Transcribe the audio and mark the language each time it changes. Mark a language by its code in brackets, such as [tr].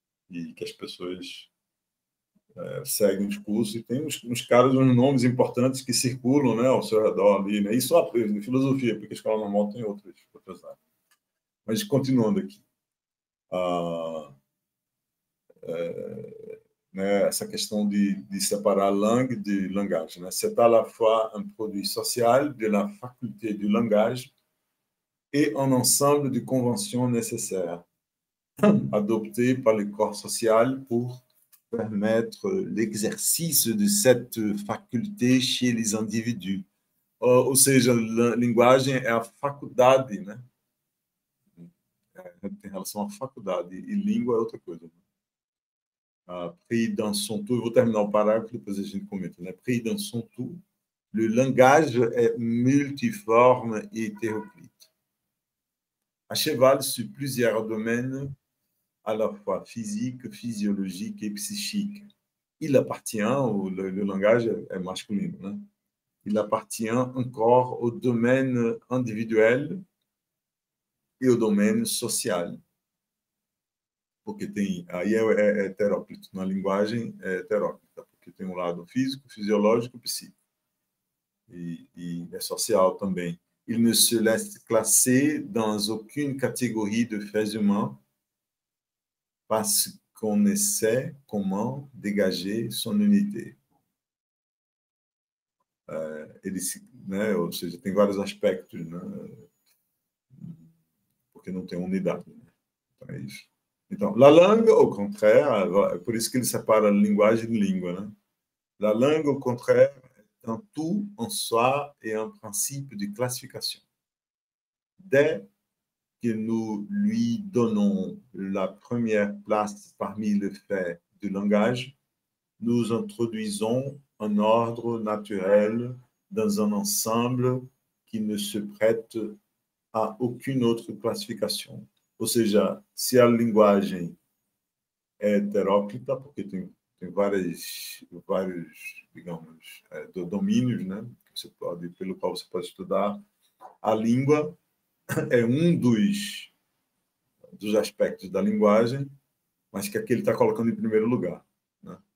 [pt] E que as pessoas seguem os cursos. E tem uns caras, uns nomes importantes que circulam, né, ao seu redor ali, né? Isso apenas de filosofia, porque a escola normal tem outras áreas. Mas continuando aqui. Né, essa questão de separar langue de langage, né? [fr] C'est à la fois un produit social de la faculté du langage et un ensemble de conventions nécessaires adoptées par le corps social pour permettre l'exercice de cette faculté chez les individus. [pt] Ou seja, a linguagem é a faculdade, né? Em relação à faculdade, e língua é outra coisa. [fr] Pris dans son tout, [pt] vou terminar o parágrafo, depois a gente comenta, né? [fr] Pris dans son tout, le langage est multiforme et hétéroclite. À cheval sur plusieurs domaines, à la fois physique, physiologique et psychique. Il appartient, le langage est masculin, né? Il appartient encore au domaine individuel, [pt] e o domínio social, porque tem, aí é heteróclito, na linguagem é heteróclita, porque tem um lado físico, fisiológico, psíquico, e é social também. [fr] Il ne se laisse classer dans aucune catégorie de faits humains parce qu'on essaie comment dégager son unité. [pt] Ele se, né, ou seja, tem vários aspectos, né? Que não tem unidade. Né? Então, é isso. Então, [fr] la langue, au contraire, [pt] é por isso que ele separa linguagem de língua, né? [fr] La langue, au contraire, est un tout en soi et un principe de classification. Dès que nous lui donnons la première place parmi les faits du langage, nous introduisons un ordre naturel dans un ensemble qui ne se prête a aucune autre classification. [pt] Ou seja, se a linguagem é heteróclita, porque tem vários, digamos, domínios, né? Você pode, pelo qual você pode estudar, a língua é um dos aspectos da linguagem, mas que aqui ele está colocando em primeiro lugar, né?